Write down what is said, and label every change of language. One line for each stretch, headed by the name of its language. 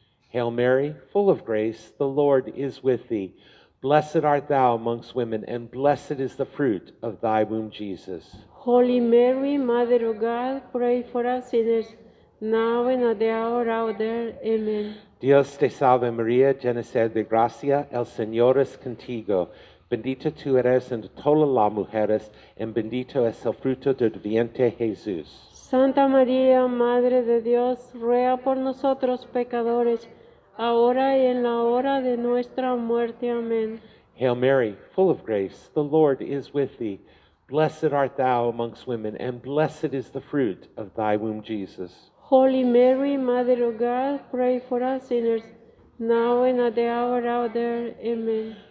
English: Hail Mary, full of grace, the Lord is with thee. Blessed art thou amongst women, and blessed is the fruit of thy womb, Jesus. Holy Mary, Mother of God, pray for us sinners, now and at the hour of our death. Amen.
Spanish: Dios te salve María, llena eres de gracia, el Señor es contigo. Bendita tú eres entre todas las mujeres, y bendito es el fruto de tu vientre, Jesús. Santa María, Madre de Dios, ruega por nosotros pecadores, ahora y en la hora de nuestra muerte. Amén.
English: Hail Mary, full of grace, the Lord is with thee. Blessed art thou amongst women, and blessed is the fruit of thy womb, Jesus. Holy Mary, Mother of God, pray for us sinners, now and at the hour of our death. Amen.